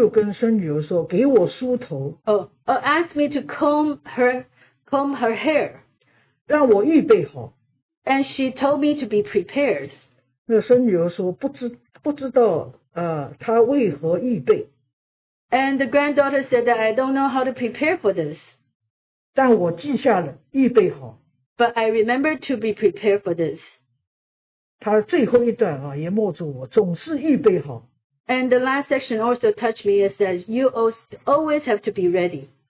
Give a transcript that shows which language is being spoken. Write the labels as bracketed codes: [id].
[zh] 那个奶奶就跟孙女说，给我梳头。Oh, [en] ask me to comb her hair. [zh] 让我预备好。 [en] And she told me to be prepared. [zh] 那孙女儿说不知道她为何预备。 [en] And the granddaughter said that I don't know how to prepare for this. [zh] 但我记下了，预备好。 [en] But I remember to be prepared for this. [zh] 她最后一段也默住我，总是预备好。 [en] And the last section also touched me. It says, you always have to be ready.